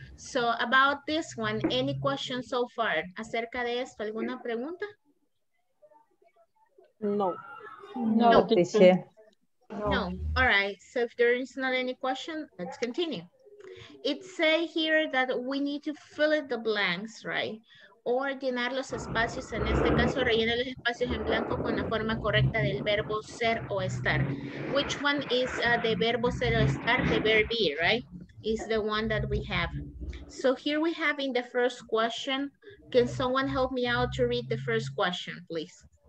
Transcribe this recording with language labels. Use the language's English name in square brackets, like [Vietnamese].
[English] So about this one, any questions so far? [Spanish] Acerca de esto, ¿alguna pregunta? [English] No. All right. So if there is not any question, let's continue. It say here that we need to fill in the blanks, right? [Spanish] Or llenar los espacios, en este caso, rellena los espacios en blanco con la forma correcta del verbo ser o estar. [English] Which one is the [Spanish] verbo ser o estar, [English] the verb be, right? Is the one that we have. So here we have in the first question, can someone help me out to read the first question, please?